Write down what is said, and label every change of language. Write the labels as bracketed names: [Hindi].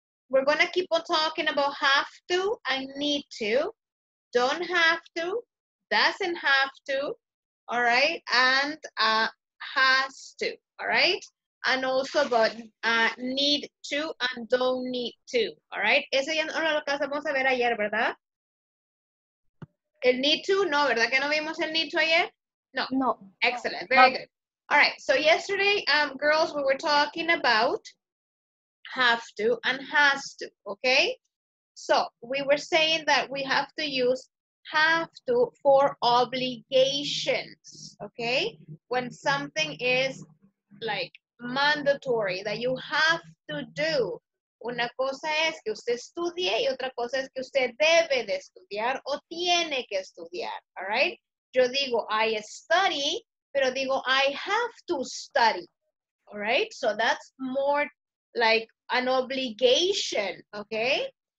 [English] We're going to keep on talking about have to and need to. Don't have to. Doesn't have to. All right. And has to. All right. And also about need to and don't need to, all right? [Spanish] Eso ya no lo alcanzamos a ver ayer, ¿verdad? El need to, no, ¿verdad que no vimos el need to ayer? No. No. [English] Excellent, very good. All right, so yesterday, girls, we were talking about have to and has to, okay? So we were saying that we have to use have to for obligations, okay? When something is like mandatory, that you have to do. [Spanish] Una cosa es que usted estudie y otra cosa es que usted debe de estudiar o tiene que estudiar, [English] all right? [Spanish] Yo digo, [English] I study, [Spanish] pero digo, [English] I have to study, all right? So that's more like an obligation, okay?